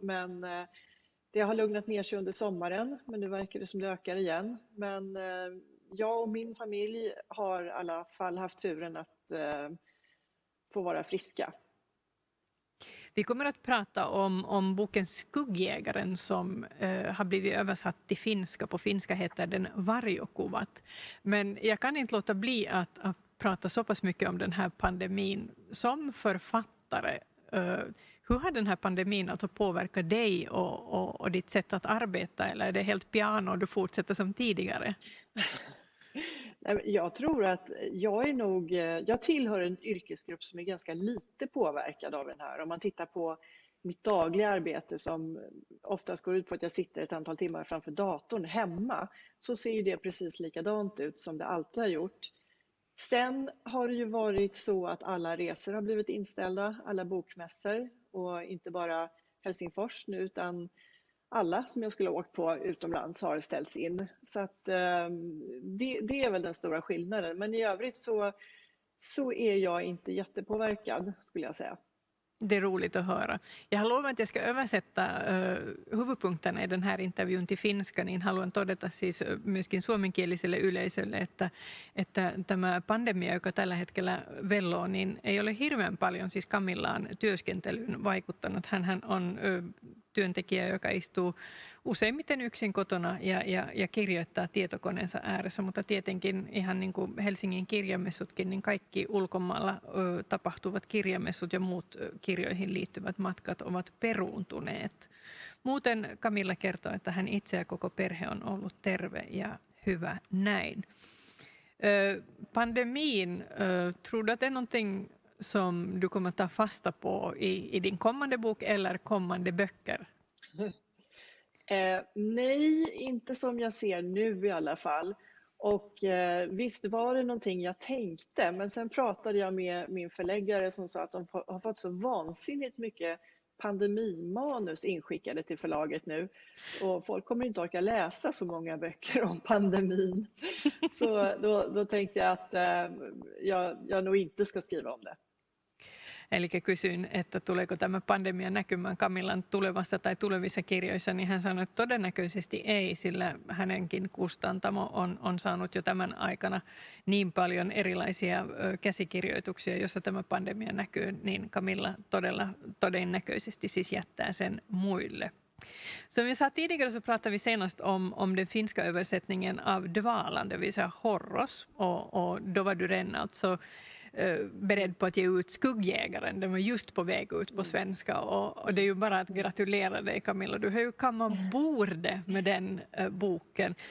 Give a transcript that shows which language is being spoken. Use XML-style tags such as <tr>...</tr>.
<sv>Men det har lugnat ner sig under sommaren, men nu verkar det som det ökar igen. Men jag och min familj har i alla fall haft turen att få vara friska. Vi kommer att prata om boken Skuggjägaren som har blivit översatt till finska. På finska heter den Varjokuvat. Men jag kan inte låta bli att prata så pass mycket om den här pandemin. Som författare, hur har den här pandemin alltså påverkat dig och ditt sätt att arbeta? Eller är det helt piano och du fortsätter som tidigare? Jag tror att jag tillhör en yrkesgrupp som är ganska lite påverkad av den här. Om man tittar på mitt dagliga arbete som oftast går ut på att jag sitter ett antal timmar framför datorn hemma, så ser ju det precis likadant ut som det alltid har gjort. Sen har det ju varit så att alla resor har blivit inställda, alla bokmässor, och inte bara Helsingfors nu, utan alla som jag skulle ha åkt på utomlands har ställts in. Så att, det är väl den stora skillnaden. Men i övrigt så är jag inte jättepåverkad, skulle jag säga. Det är roligt att höra. Jag har lovat att jag ska översätta huvudpunkterna i den här intervjun till finska.</sv> <fi>Niin haluan todeta siis myöskin suomenkieliselle yleisölle, että tämä pandemia, joka tällä hetkellä velloo, niin ei ole hirveän paljon siis Camillaan työskentelyyn vaikuttanut. Hänhän on työntekijä, joka istuu useimmiten yksin kotona ja kirjoittaa tietokoneensa ääressä, mutta tietenkin ihan niin kuin Helsingin kirjamessutkin, niin kaikki ulkomailla tapahtuvat kirjamessut ja muut kirjoihin liittyvät matkat ovat peruuntuneet. Muuten Camilla kertoo, että hän itse ja koko perhe on ollut terve ja hyvä näin.</fi> <sv>Pandemiin, tror du att det är någonting som du kommer ta fasta på i din kommande bok eller kommande böcker? Nej, inte som jag ser nu i alla fall. Och visst var det någonting jag tänkte, men sen pratade jag med min förläggare som sa att de har fått så vansinnigt mycket pandemimanus inskickade till förlaget nu. Och folk kommer inte orka läsa så många böcker om pandemin. Så då tänkte jag att jag nog inte ska skriva om det.</sv> <fi>Eli kysyin, että tuleeko tämä pandemia näkymään Camillan tulevassa tai tulevissa kirjoissa, niin hän sanoi, että todennäköisesti ei, sillä hänenkin kustantamo on saanut jo tämän aikana niin paljon erilaisia käsikirjoituksia, joissa tämä pandemia näkyy, niin Camilla todella todennäköisesti siis jättää sen muille.</fi> <sv>Som jag sa tidigare så pratade vi senast om den finska översättningen av Dvalan, det vill säga Horros. Och då var du redan alltså beredd på att ge ut Skuggjägaren. Den var just på väg ut på svenska. Och det är ju bara att gratulera dig Camilla. Du har ju kammat bordet med den boken.</sv>